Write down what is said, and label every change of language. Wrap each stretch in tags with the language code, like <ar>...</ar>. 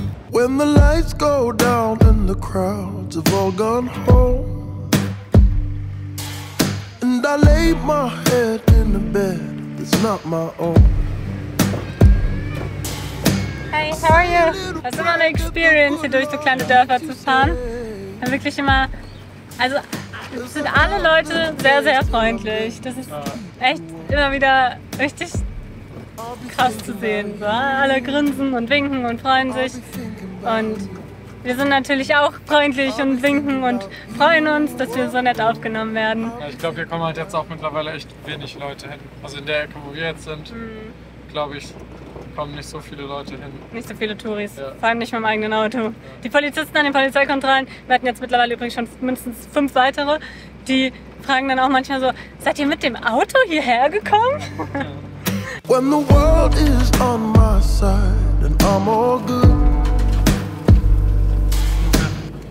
<en>When the lights go down and the crowds have all gone home, and I lay my head in a bed that's not my own. Hey, how are you?</en> <de>Das ist immer eine Experience, hier durch so kleine Dörfer zu fahren. Und wirklich immer, also sind alle Leute sehr, sehr freundlich. Das ist echt immer wieder richtig krass zu sehen. So, alle grinsen und winken und freuen sich. Und wir sind natürlich auch freundlich und winken und freuen uns, dass wir so nett aufgenommen werden. Ja, ich glaube, hier kommen halt jetzt auch mittlerweile echt wenig Leute hin. Also in der Ecke, wo wir jetzt sind, glaube ich, kommen nicht so viele Leute hin. Nicht so viele Touris, ja. Vor allem nicht mit meinem eigenen Auto. Ja. Die Polizisten an den Polizeikontrollen, wir hatten jetzt mittlerweile übrigens schon mindestens 5 weitere, die fragen dann auch manchmal so, seid ihr mit dem Auto hierher gekommen?</de> <en>When the world is on my side and I'm all good.</en>